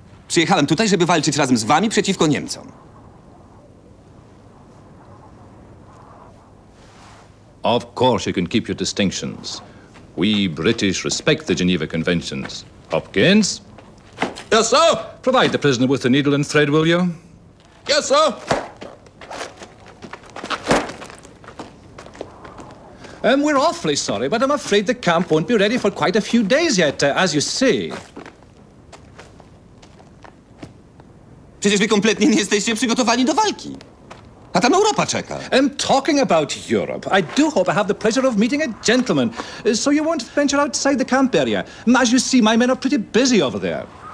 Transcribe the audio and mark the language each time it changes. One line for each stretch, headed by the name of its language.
Polish: Przyjechałem tutaj, żeby walczyć razem z wami przeciwko Niemcom.
English: Of course you can keep your distinctions. We British respect the Geneva Conventions. Hopkins? Yes, sir? Provide the prisoner with the needle and thread, will you? Yes, sir. We're awfully sorry, but I'm afraid the camp won't be ready for quite a few days yet, as you see.
Polish: Przecież wy kompletnie nie jesteście przygotowani do walki. A tam Europa czeka.
English: I'm talking about Europe. I do hope I have the pleasure of meeting a gentleman, so you won't venture outside the camp area. As you see, my men are pretty busy over there.